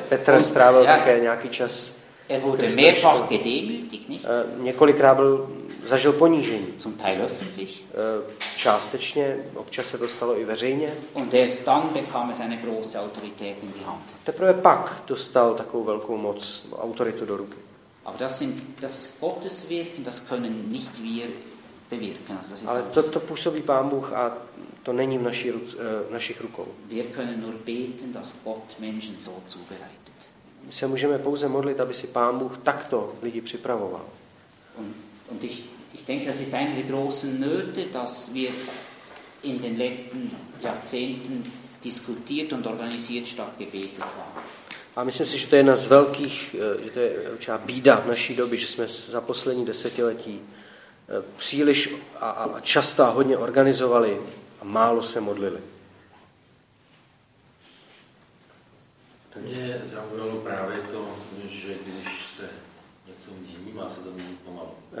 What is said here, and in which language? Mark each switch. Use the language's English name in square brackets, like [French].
[Czech] Petr strávil také nějaký čas. [German] Er wurde mehrfach gedemütigt, nicht? [Czech] Několikrát byl zažil ponížení. [German] Zum Teil öffentlich. [Czech] Částečně, občas se to stalo i veřejně. [German] Und erst dann bekam es eine große Autorität in die Hand. [Czech] Teprve pak dostal takovou velkou moc, autoritu do ruky. [German] Aber das ist Gottes Wirken, das können nicht wir bewirken. Also das ist [Czech] ale to působí Pán Bůh a to není v našich rukou. [German] Wir können nur beten, dass Gott Menschen so zubereitet. [Czech] My se můžeme pouze modlit, aby si Pán Bůh takto lidi připravoval. [German] Und ich denke, das ist eine der großen Nöte, dass wir in den letzten Jahrzehnten diskutiert und organisiert statt gebetet haben. [Czech] A myslím si, že to je jedna z velkých, že to je určitá bída v naší době, že jsme za poslední desetiletí příliš a často a hodně organizovali a málo se modlili. To mě zaujalo právě to, že když se něco mění, má se to mění pomalu.